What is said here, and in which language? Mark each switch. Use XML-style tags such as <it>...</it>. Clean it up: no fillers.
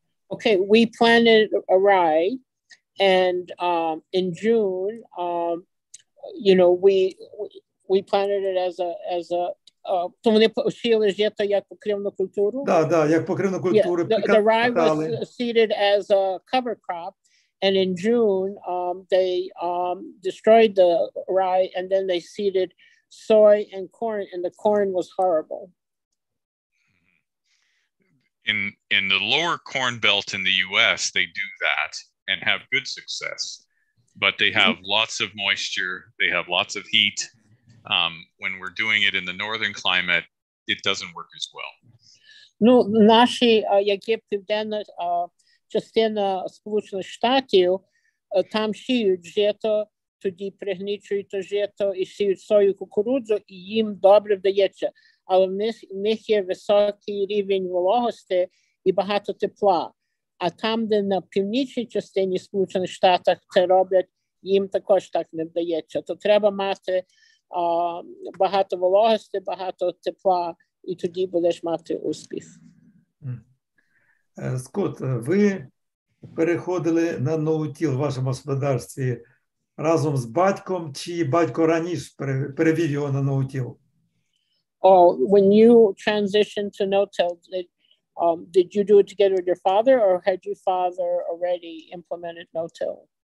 <en>Okay, we planted a rye, and in June, you know, we planted it as a</en> <uk>то вони посіяли жито як покривну культуру? Да, як покривну культуру.</uk> <en>The rye was seeded as a cover crop, and in June, they destroyed the rye, and then they seeded soy and corn, and the corn was horrible. In the lower corn belt in the U.S., they do that and have good success, but they have mm-hmm. lots of moisture, they have lots of heat. When we're doing it in the northern climate, it doesn't work as well.</en> <uk>Ну, наші, як є південна частина Сполучених Штатів, там сіють жито, тоді пригнічують жито і сіють сою, кукурудзу, і їм добре вдається. Але в них є високий рівень вологості і багато тепла. А там, де на північній частині Сполучених Штатів це роблять, їм також так не вдається. То треба мати багато вологості, багато тепла, і тоді будеш мати успіх. Скотт, ви переходили на ноутіл в вашому господарстві разом з батьком, чи батько раніше перевів його на ноутіл?</uk> <en>Oh, when you transitioned to no-till, did you do it together with your father, or had your father already implemented no-till?</en>